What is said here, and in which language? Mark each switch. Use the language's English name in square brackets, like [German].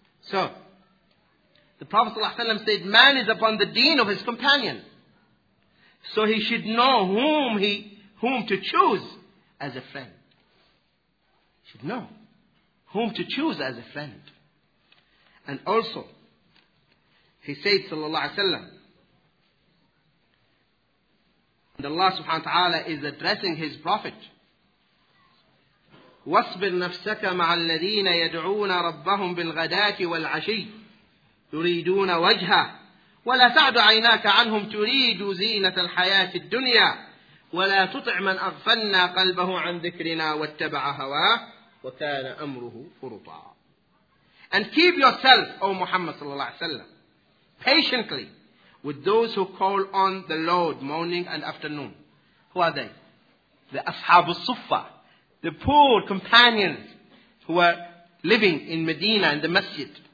[English] So, the Prophet ﷺ said, man is upon the deen of his companion. So he should know whom to choose as a friend. He should know whom to choose as a friend. And also, he said, sallallahu alayhi wa sallam, and Allah subhanahu wa ta'ala is addressing his prophet, [Arabic] وَاصْبِرْ نَفْسَكَ مَعَ الَّذِينَ يَدْعُونَ رَبَّهُمْ بِالْغَدَاةِ وَالْعَشِيِّ يُرِيدُونَ وَجْهَهُ ولا تعد عيناك عنهم تريد زينة الحياة الدنيا ولا تطع من أغفلنا قلبه عن ذكرنا واتبع هواه وكان أمره فرطا. [English] And keep yourself, O Muhammad صلى الله عليه وسلم, patiently with those who call on the Lord morning and afternoon. Who are they? The Ashab al-Suffa, the poor companions who are living in Medina in the Masjid.